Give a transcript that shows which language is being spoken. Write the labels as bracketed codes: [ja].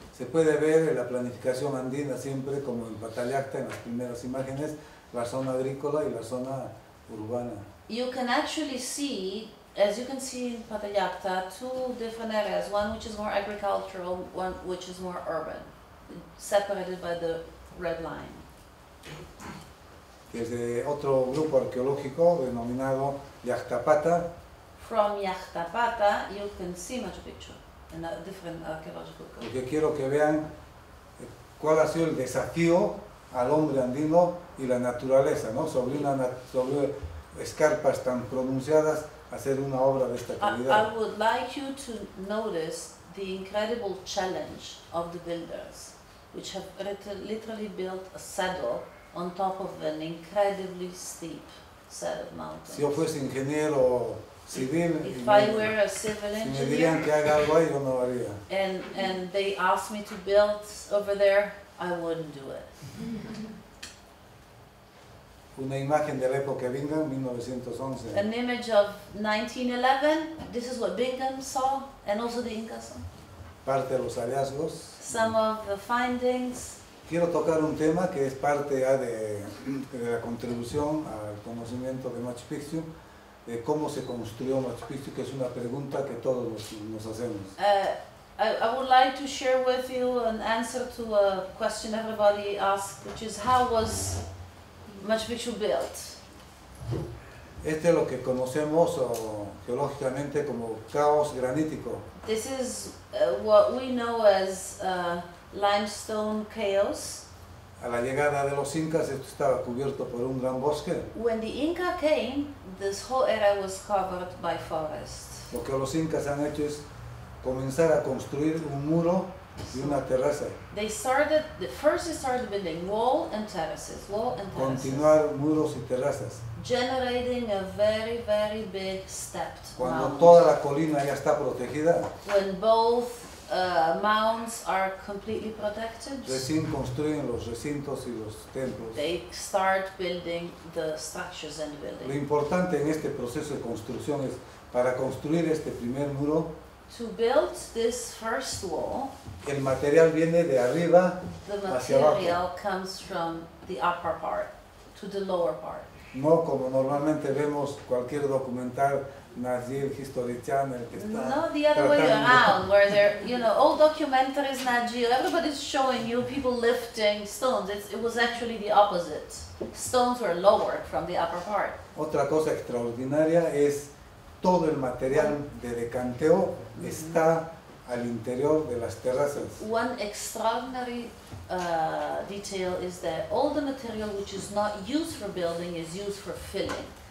[es] Se puede ver la planificación andina siempre como en Patallacta en las primeras imágenes, la zona agrícola y la zona urbana. [en] You can actually see, as you can see in Patallacta, two different areas, one which is more agricultural, one which is more urban, separated by the red line. [es] Desde otro grupo arqueológico denominado Yactapata. [en] From Yactapata, you can see Machu Picchu in a different archaeological group. [es] Porque quiero que vean cuál ha sido el desafío al hombre andino y la naturaleza, ¿no? Sobre escarpas tan pronunciadas, hacer una obra de esta calidad. [en] I would like you to notice the incredible challenge of the builders, which have literally built a saddle on top of an incredibly steep set of mountains. [es] Si yo fuese ingeniero civil. [en] If I were a civil engineer, [es] si me dirían que haga algo ahí, yo no lo haría. [en] And they asked me to build over there, I wouldn't do it. [es] Una imagen de la época Bingham, 1911. [en] An image of 1911. This is what Bingham saw, and also the Inca saw. [es] Parte de los hallazgos. [en] Some of the findings. [es] Quiero tocar un tema que es parte ya de la contribución al conocimiento de Machu Picchu, de cómo se construyó Machu Picchu, que es una pregunta que todos nos hacemos. [en] I would like to share with you an answer to a question everybody asks, which is how was Machu Picchu built? [es] Este es lo que conocemos geológicamente como caos granítico. [en] This is what we know as limestone chaos. [es] A la llegada de los incas, esto estaba cubierto por un gran bosque. [en] When the Inca came, this whole area was covered by forest. [es] Lo que los incas han hecho es comenzar a construir un muro y una terraza. [en] They started building wall and terraces. [es] Continuar muros y terrazas. [en] Generating a very, very big stepped mound. [es] Cuando toda la colina ya está protegida. [en] When both mounds are completely protected. [es] Recién construyen los recintos y los templos. [en] They start building the structures and buildings. [es] Lo importante en este proceso de construcción es para construir este primer muro. [en] To build this first wall. [es] El material viene de arriba hacia abajo. [en] The material comes from the upper part to the lower part. [es] No como normalmente vemos cualquier documental Nazir History Channel que está. [en] No, the other way around, where there, you know, all documentaries Nazir, everybody's showing you people lifting stones. It was actually the opposite. Stones were lowered from the upper part. [es] Otra cosa extraordinaria es todo el material de decanteo está al interior de las terrazas. [en] One extraordinary detail is that all the material which is not used for building is used for filling.